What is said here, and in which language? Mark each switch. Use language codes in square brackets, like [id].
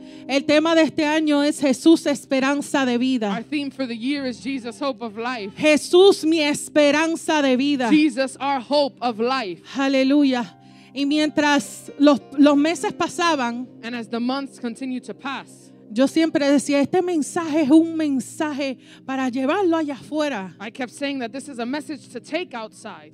[es] El tema de este año es Jesús, esperanza de vida. [en] Our theme for the year is Jesus, hope of life. [es] Jesús, mi esperanza de vida. [en] Jesus, our hope of life. [es] Aleluya. Y mientras los meses pasaban, [en] and as the months continue to pass, [es] yo siempre decía, este mensaje es un mensaje para llevarlo allá afuera. [en] I kept saying that this is a message to take outside.